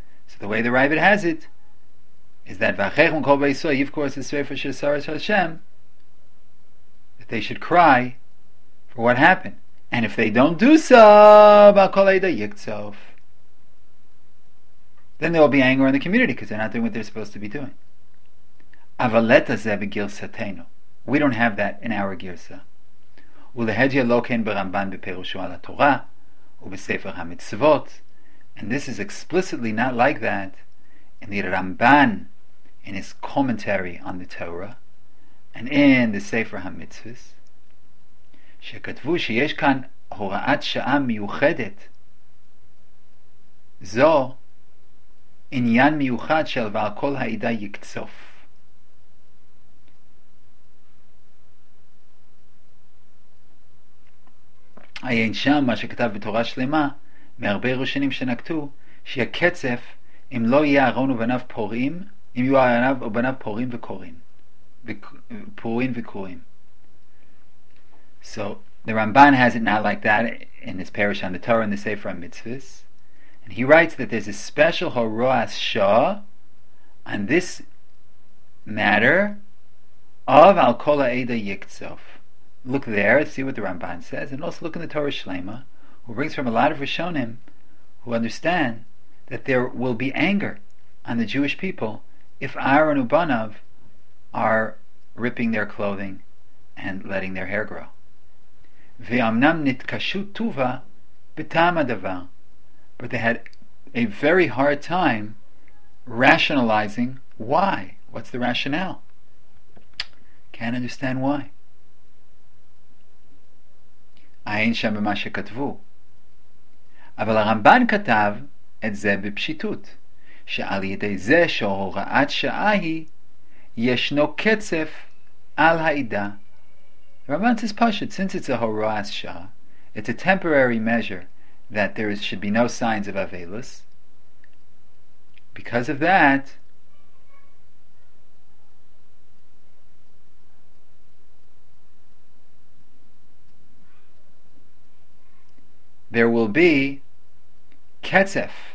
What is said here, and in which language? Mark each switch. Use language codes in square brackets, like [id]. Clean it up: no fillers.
[en] So the way the Ravid has it is that [he] V'achechum kol b'Yisrael yivku [en] as the story for Shesaras Hashem, that they should cry for what happened. And if they don't do so, [he] b'akol eida yiktsof, [en] then there will be anger in the community because they're not doing what they're supposed to be doing. [he] Avalet azeh b'girsatenu. [en] We don't have that in our girsa. [he] ולהדיה לא כן ברמב"ן בפירושו על התורה ובספר המצוות. [en] And this is explicitly not like that in the Ramban, in his commentary on the Torah, and in the Sefer HaMitzvos, [he] שכתבו שיש כאן הוראת שעה מיוחדת, זו עניין מיוחד של ועל כל העדה יקצוף. עיין שם מה שכתב בתורה שלמה מהרבה ראשונים שנקטו שהקצף אם לא יהיה ארון ובניו פורים, אם יהיו ארוניו ובניו פורים וקורים פורים וקורים. [en] So the Ramban has it not like that in his parish on the Torah in the Sefer HaMitzvos, and he writes that there's a special horoas shah on this matter of [he] al kol ha'eda yiktsof. [en] Look there, see what the Ramban says, and also look in the Torah Shlema, who brings from a lot of Rishonim who understand that there will be anger on the Jewish people if Aaron Ubanav are ripping their clothing and letting their hair grow. [he] V'amnam nitkashu tuva b'tam adavah. [en] But they had a very hard time rationalizing why. What's the rationale? Can't understand why. [he] עין שם במה שכתבו. אבל הרמב"ן כתב את זה בפשיטות, שעל ידי זה שהוראת שעה היא, ישנו קצף על העידה. [en] הרמב"ן says פשוט, since it's a horas shah, it's a temporary measure that there is, should be no signs of avelus, because of that, there will be ketzef.